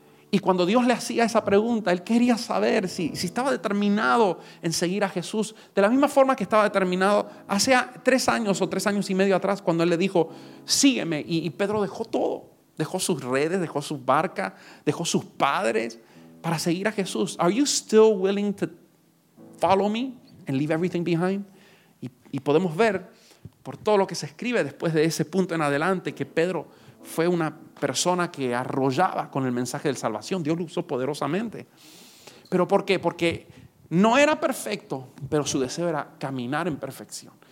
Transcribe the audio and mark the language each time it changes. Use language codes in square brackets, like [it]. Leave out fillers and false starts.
[es] Y cuando Dios le hacía esa pregunta, él quería saber si estaba determinado en seguir a Jesús. De la misma forma que estaba determinado hace 3 años o 3 años y medio atrás, cuando él le dijo, sígueme. Y Pedro dejó todo. Dejó sus redes, dejó su barca, dejó sus padres para seguir a Jesús. [en] Are you still willing to follow me and leave everything behind? [es] Y podemos ver por todo lo que se escribe después de ese punto en adelante que Pedro fue una persona que arrollaba con el mensaje de salvación. Dios lo usó poderosamente. ¿Pero por qué? Porque no era perfecto, pero su deseo era caminar en perfección.